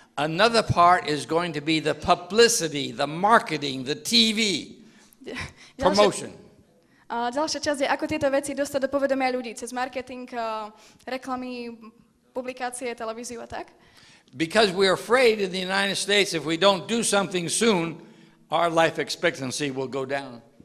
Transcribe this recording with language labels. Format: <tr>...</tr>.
<en>Another part is going to be the publicity, the marketing, the TV. Promotion.</en> <sk>Ďalšia časť je, ako tieto veci dostať do povedomia ľudí cez marketing, reklamy, publikácie, televíziu a tak.</sk> <en>Because we are afraid in the United States if we don't do something soon, our life expectancy will go down.</en>